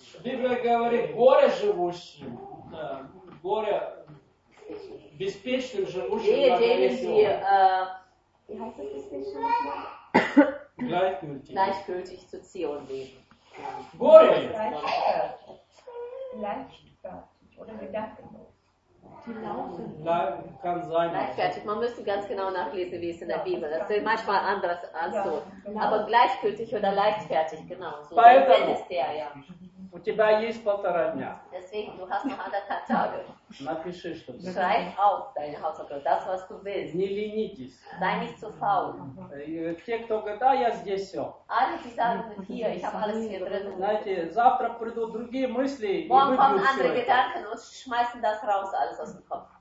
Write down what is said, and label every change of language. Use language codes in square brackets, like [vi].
[ru] Библия говорит, горе живущим, горе беспечным живущим, если [de] gleichgültig zu Zion leben. [ru] Gore! [de] Gleichgültig. Man müsste ganz genau nachlesen, wie es in der Bibel ist. Das ist manchmal anders als so. Aber gleichgültig oder leichtfertig, genau. So dann ist der, ja. [ru] У тебя есть полтора дня. [de] Deswegen, du hast noch anderthalb Tage. [ru] Напиши, что ты. [de] Schreib auf deine Hausaufgabe, das, was du willst. [ru] Не ленитесь. [de] Sei nicht zu faul. [ru] Те, кто говорит, да, я здесь все. [de] Alle, die sagen, hier, ich habe alles hier drin. [ru] Знаете, завтра придут другие мысли. [de] Morgen kommen andere Gedanken und schmeißen das raus, alles aus dem Kopf.